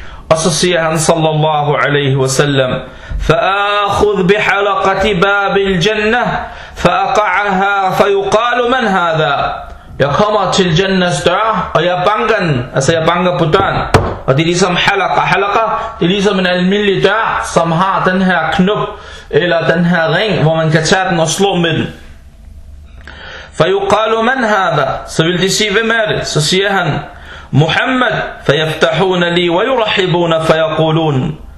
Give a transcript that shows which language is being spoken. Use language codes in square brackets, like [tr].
[da] Og så siger han sallallahu alaihi wasallam, [ar] فأخذ بحلقة باب الجنة فأقعها فيقال من هذا. [da] Jeg kommer til Jannahs dør, og jeg banker den. Altså jeg banker på døren. Og det er ligesom halaqa. Halaqa, det er ligesom en almindelig dør, som har den her knop eller den her ring, hvor man kan tage den og slå med den. [ar] فيقال من هذا. [da] Så vil de sige, hvem er det? Så siger han, Muhammad. [ar] فيفتحون لي ويرحبون فيقولون.